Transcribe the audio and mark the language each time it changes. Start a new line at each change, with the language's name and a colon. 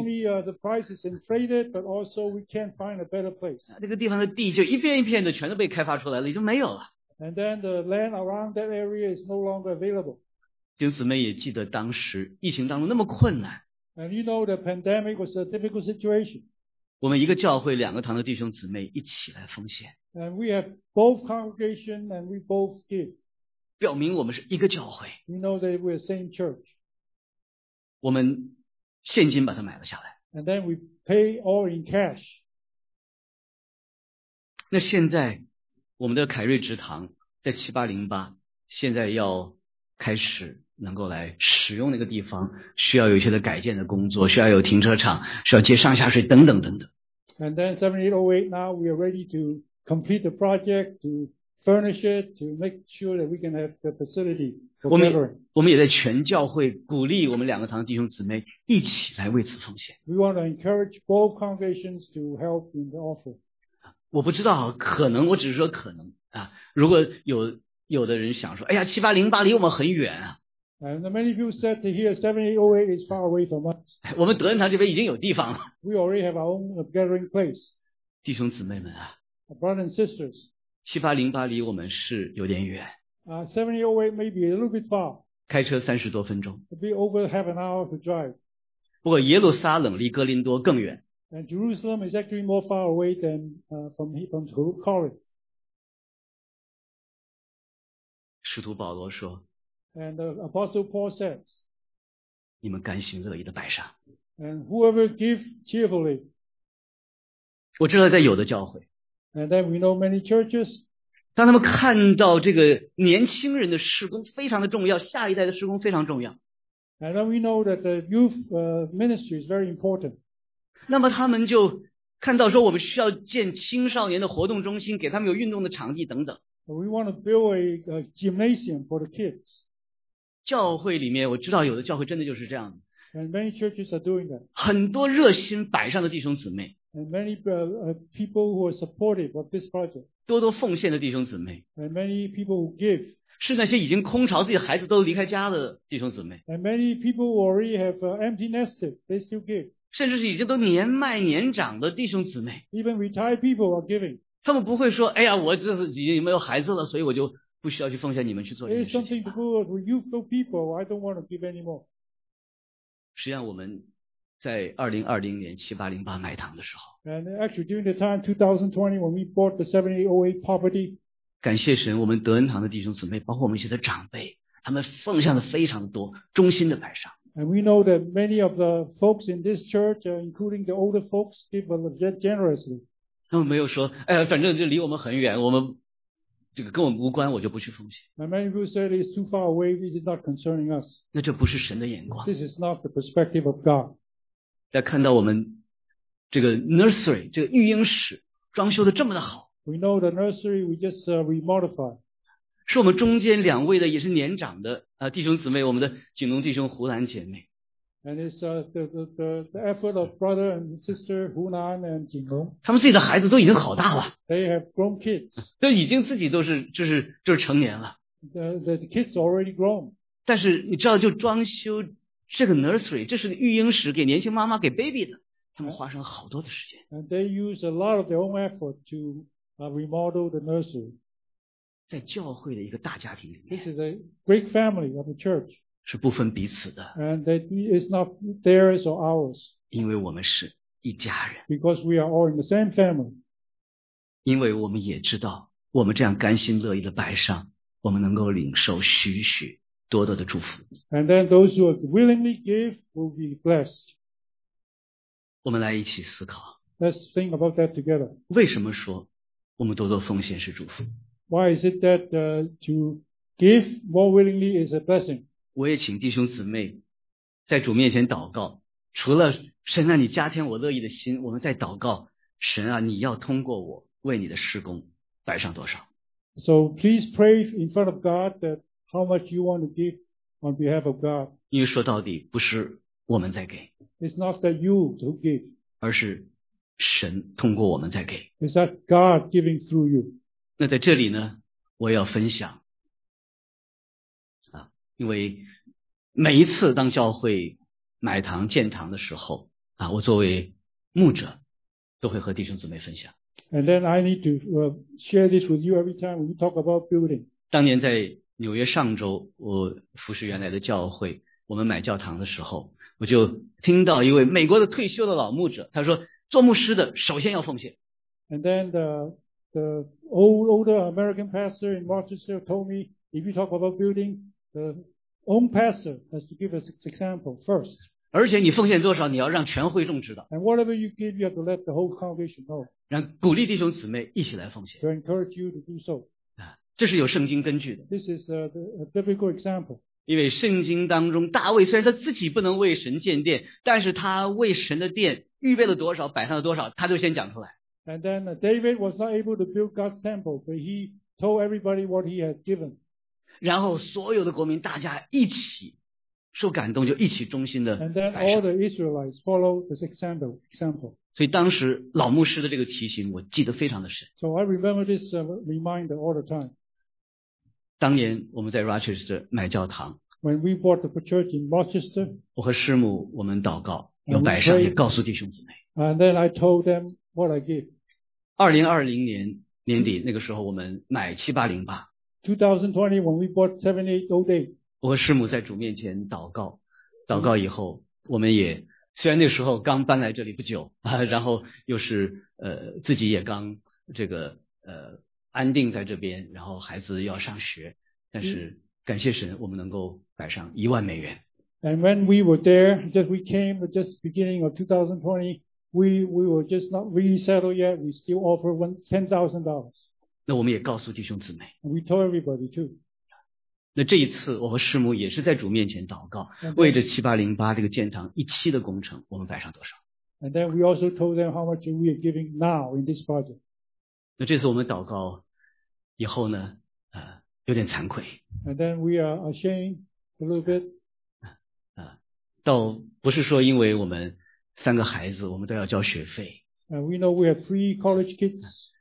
English: Now, not only the price is inflated, but also we can't find a better place.
Chinese: 那个地方的地就一片一片的全都被开发出来了，已经没有了。
English: And then the land around that area is no longer available.
Chinese: 弟兄姊妹也记得当时疫情当中那么困难。
English: And you know the pandemic was a difficult situation.
Chinese: 我们一个教会两个堂的弟兄姊妹一起来奉献。
English: And we have both congregation and we both give.
Chinese: 表明我们是一个教会。
English: You know that we're same church.
Chinese: 我们现金把它买了下来。
English: And then we pay all in cash.
Chinese: 那现在我们的凯瑞职堂在7808，现在要开始能够来使用那个地方，需要有一些的改建的工作，需要有停车场，需要接上下水等等等等。
English: And then 7808, now we are ready to complete the project to. Furnish it to make sure that we can have the facility for gathering.
Chinese: 我们也在全教会鼓励我们两个堂弟兄姊妹一起来为此奉献。
English: We want to encourage both congregations to help in the offering.
Chinese: 我不知道，可能，我只是说可能啊。如果有的人想说，哎呀，七八零八离我们很远啊。
English: And many people said to hear 7808 is far away from us.
Chinese: 我们德恩堂这边已经有地方了。
English: We already have our own gathering place.
Chinese: 弟兄姊妹们啊
English: ，Brothers and sisters.
Chinese: 7808离我们是有点远。
English: 7808 may be a little bit far.
Chinese: 开车30多分钟。
English: It'll be over half an hour to drive.
Chinese: 不过耶路撒冷离哥林多更远。
English: And Jerusalem is actually more far away than from Corinth.
Chinese: 使徒保罗说。
English: And the Apostle Paul says.
Chinese: 你们甘心乐意的摆上。
English: And whoever gives cheerfully.
Chinese: 我知道在有的教会。
English: And then we know many churches.
Chinese: 当他们看到这个年轻人的事工非常的重要，下一代的事工非常重要。
English: And then we know that the youth ministry is very important.
Chinese: 那么他们就看到说我们需要建青少年的活动中心，给他们有运动的场地等等。
English: We want to build a gymnasium for the kids.
Chinese: 教会里面，我知道有的教会真的就是这样的。
English: And many churches are doing that.
Chinese: 很多热心摆上的弟兄姊妹。
English: And many people who are supportive of this project.
Chinese: 多多奉献的弟兄姊妹。
English: And many people who give.
Chinese: 是那些已经空巢自己孩子都离开家的弟兄姊妹。
English: And many people who already have empty nested, they still give.
Chinese: 甚至是已经都年迈年长的弟兄姊妹。
English: Even retired people are giving.
Chinese: 他们不会说，哎呀，我这是已经没有孩子了，所以我就不需要去奉献你们去做这件事情。
English: There is something to do with youthful people. I don't want to give anymore.
Chinese: 实际上我们在2020年7808买堂的时候
English: And actually during the time 2020 when we bought the 7808 property
Chinese: 感谢神我们德恩堂的弟兄姊妹包括我们一些的长辈他们奉献的非常多忠心的摆上
English: And we know that many of the folks in this church including the older folks give generously
Chinese: 他们没有说哎，反正就离我们很远我们这个跟我们无关我就不去奉献。
English: And many people said it's too far away, it is not concerning us.
Chinese: 那这不是神的眼光。
English: This is not the perspective of God.
Chinese: 大家看到我们这个 nursery, 这个育婴室装修的这么的好。
English: We know the nursery, we just remodified.
Chinese: 是我们中间两位的也是年长的弟兄姊妹我们的景农弟兄胡兰姐妹。
English: And it's the effort of brother and sister Hunan and Jinglong.
Chinese: 他们自己的孩子都已经好大了。
English: They have grown kids.
Chinese: 都已经自己都是就是成年了。
English: The kids already grown.
Chinese: 但是你知道，就装修这个 nursery， 这是育婴室，给年轻妈妈给 baby 的，他们花上了好多的时间。
English: And they use a lot of their own effort to remodel the nursery.
Chinese: 在教会的一个大家庭里面。
English: This is a great family of the church.
Chinese: 是不分彼此的
English: and that is not theirs or ours.
Chinese: 因为我们是一家人
English: because we are all in the same family.
Chinese: 因为我们也知道我们这样甘心乐意的摆上我们能够领受许许多多的祝福
English: and then those who willingly give will be blessed.
Chinese: 我们来一起思考
English: let's think about that together.
Chinese: 为什么说我们多多奉献是祝福
English: why is it that to give more willingly is a blessing?
Chinese: 我也请弟兄姊妹在主面前祷告除了神啊你加添我乐意的心我们在祷告神啊你要通过我为你的事工摆上多少
English: So please pray in front of God that how much you want to give on behalf of God
Chinese: 因为说到底不是我们在给
English: It's not that you to give
Chinese: 而是神通过我们在给
English: It's that God giving through you
Chinese: 那在这里呢我要分享因为每一次当教会买堂建堂的时候啊，我作为牧者都会和弟兄姊妹分享
English: and then I need to share this with you every time when we talk about building
Chinese: 当年在纽约上周我服侍原来的教会我们买教堂的时候我就听到一位美国的退休的老牧者他说做牧师的首先要奉献
English: and then the older American pastor in Rochester told me if you talk about buildingThe own pastor has to give us an example first.
Chinese: 而且你奉献多少，你要让全会众知道。
English: And whatever you give, you have to let the whole congregation know.
Chinese: 让鼓励弟兄姊妹一起来奉献。
English: To encourage you to do so.
Chinese: 这是有圣经根据的。
English: This is a biblical example.
Chinese: 因为圣经当中，大卫虽然他自己不能为神建殿，但是他为神的殿预备了多少，摆上了多少，他就先讲出来。
English: And then David was not able to build God's temple, but he told everybody what he had given.
Chinese: 然后所有的国民大家一起受感动就一起忠心的摆上
English: And then all the Israelites follow this example.
Chinese: 所以当时老牧师的这个提醒我记得非常的深
English: So I remember this reminder all the time
Chinese: 当年我们在 Rochester 买教堂
English: When we bought the church in Rochester
Chinese: 我和师母我们祷告要摆上也告诉弟兄姊妹
English: And then I told them what I give
Chinese: 2020年年底那个时候我们买7808
English: 2020 when we bought 7808
Chinese: 我和师母在主面前祷告祷告以后我们也虽然那时候刚搬来这里不久然后又是自己也刚这个安定在这边然后孩子要上学但是感谢神我们能够摆上$10,000
English: And when we were there just we came just beginning of 2020 we were just not really settled yet we still offer $10,000
Chinese: 那我们也告诉弟兄姊妹
English: We told everybody too.
Chinese: 那这一次我和师母也是在主面前祷告
English: then,
Chinese: 为着7808这个建堂一期的工程我们摆上多少
English: And then we also told them how much we are giving now in this project
Chinese: 那这次我们祷告以后呢有点惭愧
English: And then we are ashamed a little bit.
Chinese: 倒不是说因为我们三个孩子我们都要交学费。
English: We know we have three college kids.